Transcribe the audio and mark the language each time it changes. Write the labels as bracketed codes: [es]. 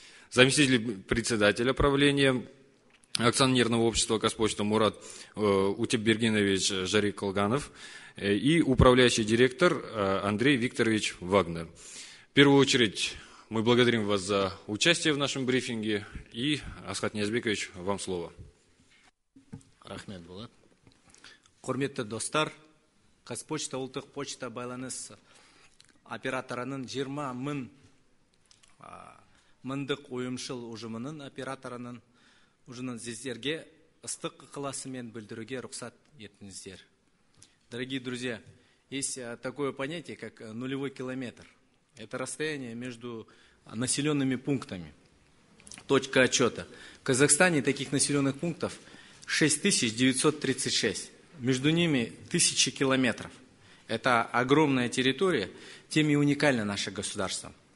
[ru] Заместитель председателя правления акционерного общества «Казпочта» Мурат Утепбергенович Жарикалганов и управляющий директор Андрей Викторович Вагнер. В первую очередь мы благодарим вас за участие в нашем брифинге. И, Асхат Ниязбекович, вам слово. Рахмет, Булат. [kk] Құрметті достар, «Казпочта» ұлттық почта байланыс операторының 20 мыңдық ұйымшыл ұжымының операторының сіздерге ыстық ықыласымен білдіруге рұқсат етіңіздер. [ru] Дорогие друзья, есть такое понятие, как нулевой километр. Это расстояние между населенными пунктами, точка отчета. В Казахстане таких населенных пунктов 6936. Между ними тысячи километров. Это огромная территория, тем и уникально наше государство.